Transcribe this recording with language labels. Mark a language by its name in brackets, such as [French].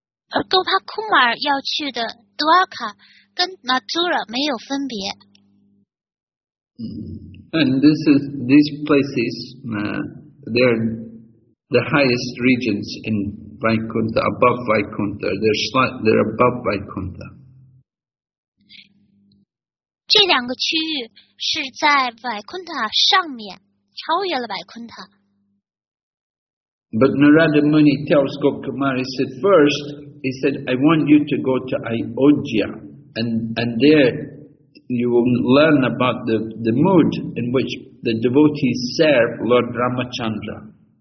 [Chinese] 而 Gopal Kumar 要去的 Dwarka 跟 Mathura 没有分别。 [English] And this is, these places, they're the highest regions in Vaikuntha, above Vaikuntha, they're above Vaikuntha. [Chinese] 这两个区域是在百昆塔上面，超越了百昆塔。 [English] But Narada Muni tells Gopkumar, he said, first, he said, I want you to go to Ayodhya, and there you will learn about the mood in which the devotees serve Lord Ramachandra.